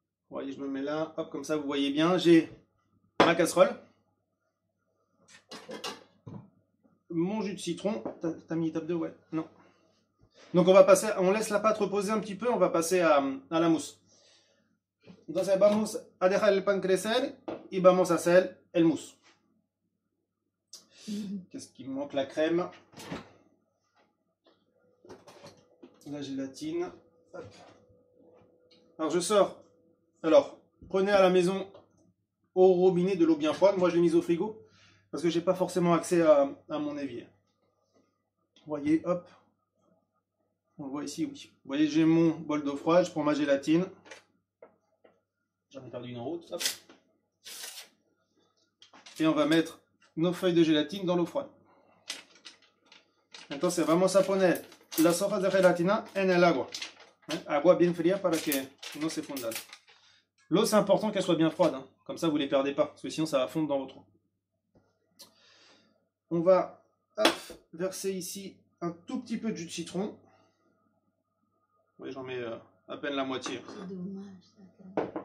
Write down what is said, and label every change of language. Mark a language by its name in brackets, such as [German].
[French] Je me mets là, hop, comme ça vous voyez bien, j'ai ma casserole, mon jus de citron, t'as mis étape 2, ouais, non. Donc on va passer, on laisse la pâte reposer un petit peu, on va passer à la mousse. [Spanish] Donc vamos a dejar el pan crecer y vamos a hacer el mousse. [French] Qu'est-ce qui me manque, la crème, la gélatine, hop. Alors je sors. Alors, prenez à la maison au robinet de l'eau bien froide. Moi, je l'ai mise au frigo parce que je n'ai pas forcément accès à mon évier. Vous voyez, hop. On le voit ici, oui. Vous voyez, j'ai mon bol d'eau froide. Je prends ma gélatine. J'en ai perdu une en route. Hop. Et on va mettre nos feuilles de gélatine dans l'eau froide. Maintenant, c'est vraiment ça. Prenez la [Spanish] soja de gelatina en el agua. Hein, agua bien fría para que no se funda. [French] L'eau, c'est important qu'elle soit bien froide, hein. Comme ça vous ne les perdez pas, parce que sinon ça va fondre dans votre eau. On va verser ici un tout petit peu de jus de citron. Oui, j'en mets à peine la moitié. C'est dommage.